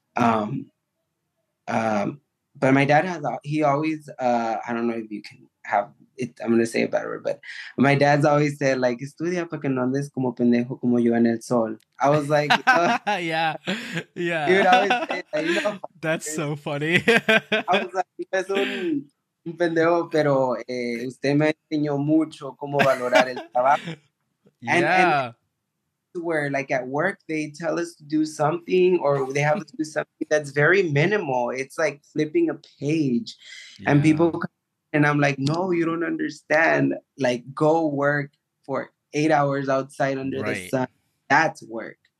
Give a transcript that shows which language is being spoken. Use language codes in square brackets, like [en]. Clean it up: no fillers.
[en] But my dad I don't know if you can have it, I'm gonna say it better, but my dad's always said like, [es] estudia para que no andes como pendejo como yo en el sol. [en] I was like, yeah. He would always say, you know, that's so funny. I was like, [es] es un pendejo, pero usted me enseñó mucho cómo valorar el trabajo. [en] And where like at work, they tell us to do something or they have us to do something that's very minimal. It's like flipping a page and people come. And I'm like, no, you don't understand. Like, go work for 8 hours outside under the sun. That's work.